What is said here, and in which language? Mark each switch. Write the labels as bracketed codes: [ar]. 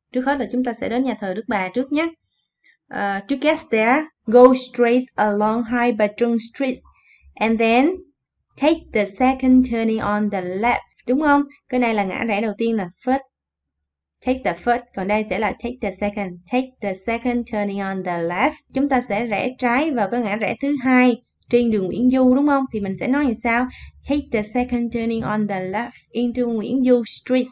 [vi] Trước hết là chúng ta sẽ đến nhà thờ Đức Bà trước nhé. [en] To get there, go straight along Hai Bà Trưng Street and then take the second turning on the left. [vi] Đúng không? Cái này là ngã rẽ đầu tiên là first. [en] Take the first. [vi] Còn đây sẽ là [en] take the second. Take the second turning on the left. [vi] Chúng ta sẽ rẽ trái vào cái ngã rẽ thứ hai trên đường Nguyễn Du đúng không? Thì mình sẽ nói như sao? [en] Take the second turning on the left into Nguyễn Du Street.